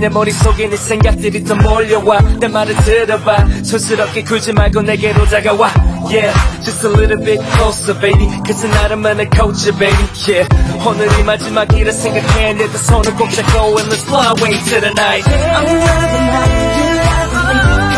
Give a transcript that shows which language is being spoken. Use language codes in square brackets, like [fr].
[ko] 내 머릿속에 네 생각들이 더 몰려와. 내 말을 들어봐. 촌스럽게 굴지 말고 내게로 다가와. [en] Yeah, just a little bit closer, baby. [ko] 그저 나름만의 culture, baby. [en] Yeah, [ko] 오늘이 마지막이라 생각해. 내 두 손을 꼭 잡고 [en] and let's fly away to the night. [ko] I'm loving how you love me.